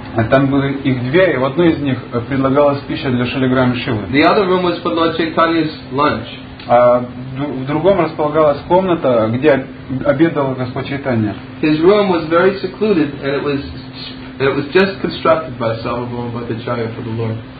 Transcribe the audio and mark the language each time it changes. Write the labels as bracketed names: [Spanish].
[Russian] Там были их две, и в одной из них предлагалась пища для Шалиграма Шилы. [English] The other room was for Lord Chaitanya's lunch. [Russian] А в другом располагалась комната, где обедал Господь Чайтанья. [English] His room was very secluded, and it was just constructed by Sarvabhauma Bhattacharya for the Lord.